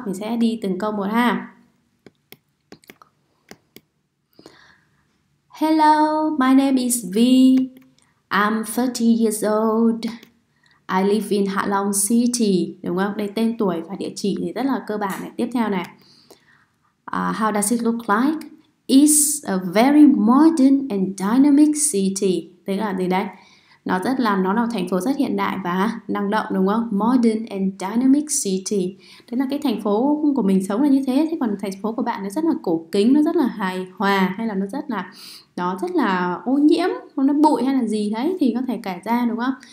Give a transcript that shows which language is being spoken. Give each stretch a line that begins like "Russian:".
Vietnamese: Mình sẽ đi từng câu một ha.
English: Hello, my name is V. I'm 30 years old. I live in Hạ Long City,
Vietnamese: đúng không? Đây tên tuổi và địa chỉ thì rất là cơ bản này. Tiếp theo này,
English: how does it look like? It's a very modern and dynamic city.
Vietnamese: Thế là gì đấy? Nó là một thành phố rất hiện đại và năng động, đúng không?
English: Modern and dynamic city.
Vietnamese: Thế là cái thành phố của mình sống là như thế. Thế còn thành phố của bạn nó rất là cổ kính, nó rất là hài hòa, hay là nó rất là ô nhiễm, nó bụi hay là gì đấy thì có thể kể ra, đúng không?